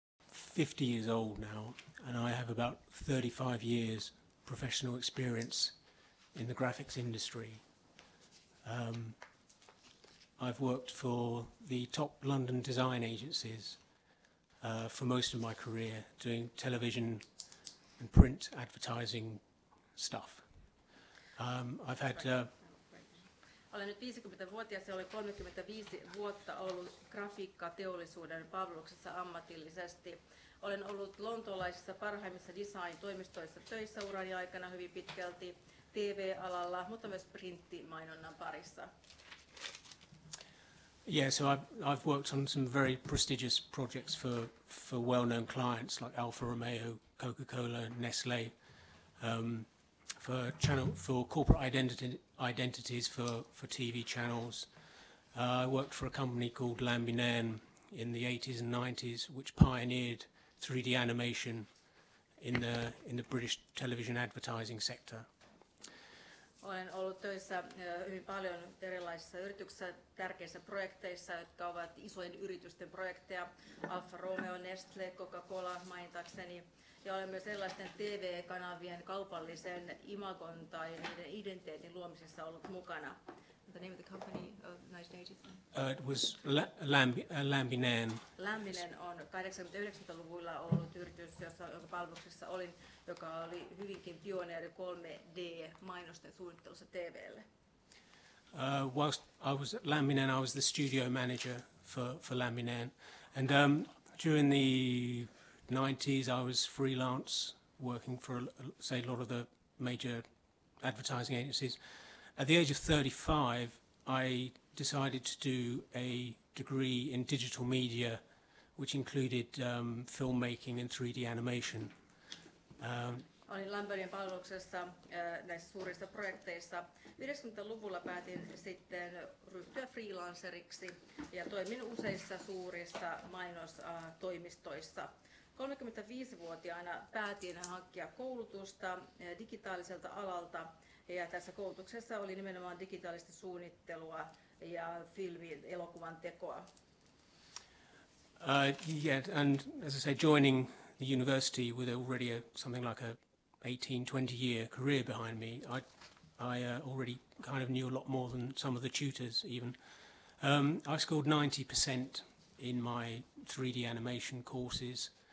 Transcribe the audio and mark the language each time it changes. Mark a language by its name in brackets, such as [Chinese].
[English] 50 years old now, and I have about 35 years professional experience in the graphics industry. I've worked for the top London design agencies for most of my career, doing television and print advertising stuff. I've had... [Finnish] Olen nyt 50-vuotias ja olen 35 vuotta ollut grafiikkateollisuuden palveluksessa ammatillisesti. Olen ollut lontoolaisissa parhaimmissa design-toimistoissa töissä urani aikana hyvin pitkälti TV-alalla, mutta myös printtimainonnan parissa. [English] Yeah, so I've worked on some very prestigious projects for well-known clients like Alfa Romeo, Coca-Cola, Nestle, for corporate identities for TV channels. I worked for a company called Lambinan in the 80s and 90s, which pioneered 3D animation in the British television advertising sector. [Finnish] Olen ollut töissä hyvin paljon erilaisissa yrityksissä, tärkeissä projekteissa, jotka ovat isojen yritysten projekteja, Alfa Romeo, Nestle, Coca-Cola mainitakseni, ja olen myös erilaisten TV-kanavien kaupallisen imagon tai niiden identiteetin luomisessa ollut mukana. [English] The name of the company of 1980? It was Lambinan. [Finnish] Lambinan on 80-90-luvulla ollut yritys, jonka palveluksessa olin, joka oli hyvinkin pioneeri 3D-mainosten suunnittelussa TV:lle. [English] Whilst I was at Lambinan, I was the studio manager for Lambinan. And during the 90s, I was freelance, working for, say, a lot of the major advertising agencies. At the age of 35, I decided to do a degree in digital media, which included filmmaking and 3D animation. [Finnish] Olin Lambinanin palveluksessa näissä suurissa projekteissa. 90-luvulla päätin sitten ryhtyä freelanceriksi ja toimin useissa suurissa mainostoimistoissa. 35-vuotiaana päätin hankkia koulutusta digitaaliselta alalta. Ja tässä koulutuksessa oli nimenomaan digitaalista suunnittelua ja filmin elokuvan tekoa. [English] And as I said, joining the university with already something like a 18-20 year career behind me, I already kind of knew a lot more than some of the tutors even. I scored 90% in my 3D animation courses.